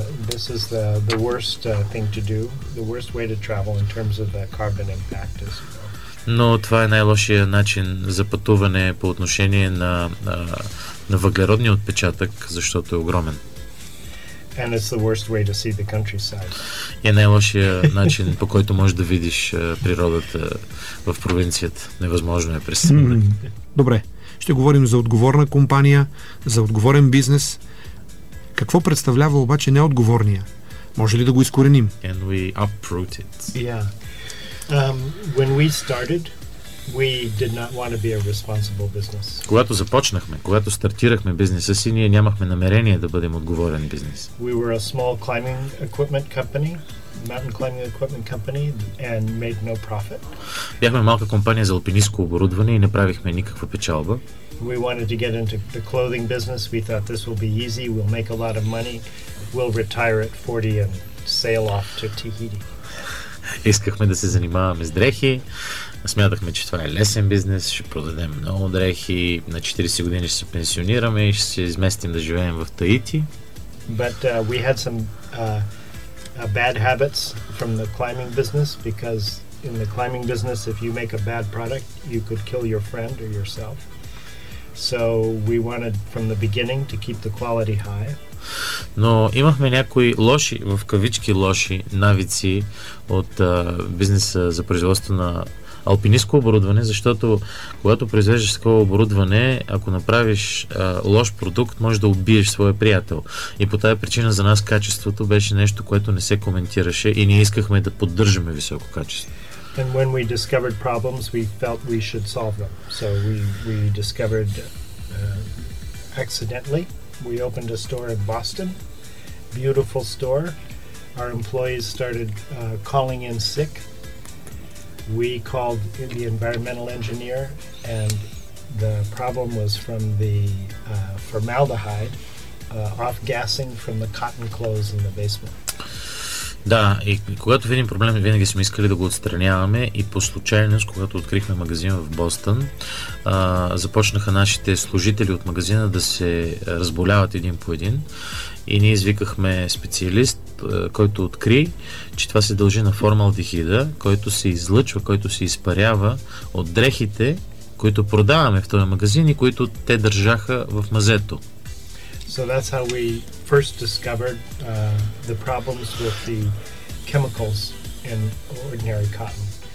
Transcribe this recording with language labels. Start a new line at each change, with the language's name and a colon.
English: This is the worst thing to do, the worst way to travel in terms of the carbon impact as well.
Bulgarian: Но това е най-лошия начин за пътуване по отношение на въглеродния отпечатък, защото е огромен.
English: And it's the worst way to see the countryside.
Bulgarian: И е най-лошия начин по който можеш да видиш природата в провинцията. Невъзможно е представяне. Добре, ще говорим за отговорна компания, за отговорен бизнес. Какво представлява обаче неотговорния? Може ли да го изкореним?
English: And we uproot it. Yeah. When we started, we did not want to be a responsible business.
Bulgarian: Когато започнахме, когато стартирахме бизнеса си, ние нямахме намерение да бъдем отговорен бизнес.
English: We were a small climbing equipment company, mountain climbing equipment company, and made no profit.
Bulgarian: Бяхме малка компания за алпинистко оборудване и не правихме никаква печалба.
English: We wanted to get into the clothing business. We thought this will be easy. We'll make a lot of money. We'll retire at 40 and sail off to Tahiti.
Bulgarian: Искахме да се занимаваме с дрехи. Смятахме, че това е лесен бизнес. Ще продадем много дрехи. На 40 години ще се пенсионираме и ще се изместим да живеем в Таити.
English: But we had some bad habits from the climbing business because in the climbing business, if you make a bad product, you could kill your friend or yourself. So we wanted from the beginning to keep the quality high.
Bulgarian: Но имахме някои лоши, в кавички лоши навици от бизнеса за производство на алпинистко оборудване, защото когато произвеждаш такова оборудване, ако направиш лош продукт, можеш да убиеш своя приятел. И по тази причина за нас качеството беше нещо, което не се коментираше и ние искахме да поддържаме високо качество.
English: And when we discovered problems, we felt we should solve them. So we discovered accidentally. We opened a store in Boston, beautiful store. Our employees started calling in sick. We called the environmental engineer, and the problem was from the formaldehyde off-gassing from the cotton clothes in the basement.
Bulgarian: Да, и когато видим проблем, винаги сме искали да го отстраняваме и по случайност, когато открихме магазин в Бостън, започнаха нашите служители от магазина да се разболяват един по един и ние извикахме специалист, който откри, че това се дължи на формалдехида, който се излъчва, който се изпарява от дрехите, които продаваме в този магазин и които те държаха в мазето.
English: So that's how we first discovered the problems with the chemicals in ordinary cotton.